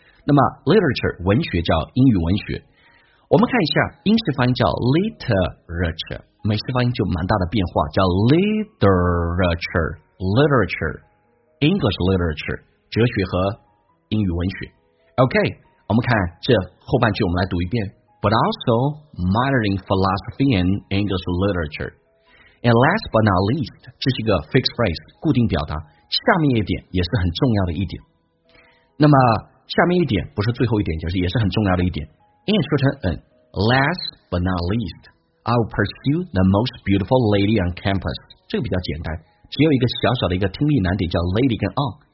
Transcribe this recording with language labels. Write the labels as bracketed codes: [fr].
[zh] 那么 literature 文学叫英语文学，我们看一下英式发音叫 literature， 美式发音就蛮大的变化叫 literature， literature [en] English literature [zh] 哲学和英语文学。 OK，我们看这后半句，我们来读一遍。 [en] But also minor in philosophy and English literature. And last but not least， [zh] 这是一个 [en] fixed phrase， [zh] 固定表达。下面一点也是很重要的一点。那么下面一点不是最后一点，就是也是很重要的一点。 [en] And 说成 and， last but not least， I will pursue the most beautiful lady on campus。 [zh] 这个比较简单，只有一个小小的一个听力难点，叫 lady 跟 on。